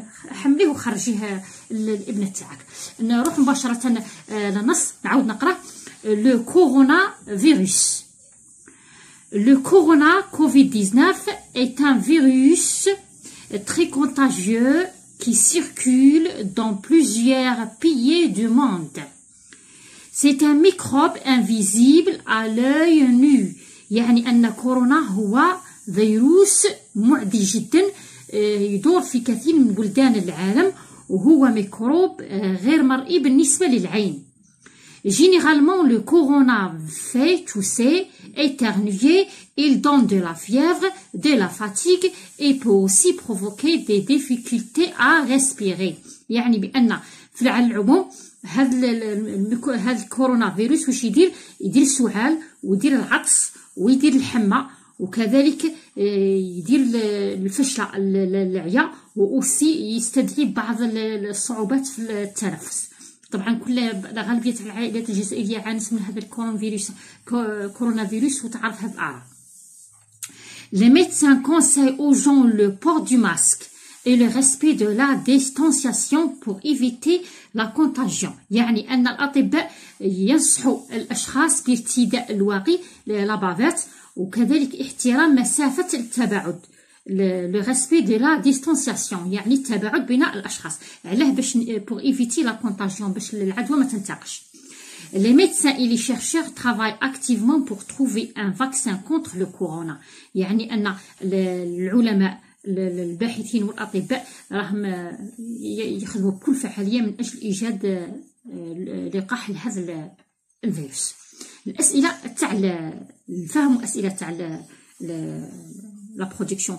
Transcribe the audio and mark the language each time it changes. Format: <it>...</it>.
<ar>حمليه وخرجيه الابنة تاعك. نروح مباشرة للنص، نعاود نقرا.</ar> <fr>لو كورونا فيروس، لو كورونا كوفيد 19 est un virus très contagieux qui circule dans plusieurs pays du monde. C'est un microbe invisible à l'œil nu.</fr> <ar>يعني أن كورونا هو فيروس معدي جدا، يدور في كثير من بلدان العالم، وهو ميكروب غير مرئي بالنسبة للعين.</ar> <fr>Généralement, le corona fait tousser, éternuer, il donne de la fièvre, de la fatigue et peut aussi provoquer des difficultés à respirer.</fr> <ar>يعني بأن في العموم هذا الكورونا فيروس واش يدير؟ يدير السعال، ويدير العطس، ويدير الحمى، وكذلك يدير الفشلة العيا، واوسي يستدعي بعض الصعوبات في التنفس. طبعا كل غالبية العائلات الجزائرية عانت من هذا الكورونا فيروس وتعرف هذا الأعراض.</ar> <fr>Les médecins conseillent aux gens le port du masque et le respect de la distanciation pour éviter la contagion.</fr> <ar>يعني أن الأطباء ينصحوا الأشخاص بارتداء الواقي لابافات، وكذلك احترام مسافة التباعد.</ar> <fr>Le respect de la distanciation</fr> <ar>يعني التباعد بين الأشخاص. علاه؟ باش</ar> <fr>pour éviter la contagion،</fr> <ar>باش العدوى ما تنتقش.</ar> <fr>Les médecins et les chercheurs travaillent activement pour trouver un vaccin contre le corona.</fr> <ar>يعني أن العلماء الباحثين والأطباء راهم يخدموا بكل فعالية من أجل إيجاد لقاح لهذا الفيروس. الأسئلة تاع الفهم، وأسئلة تاع لا برودكسيون.</ar>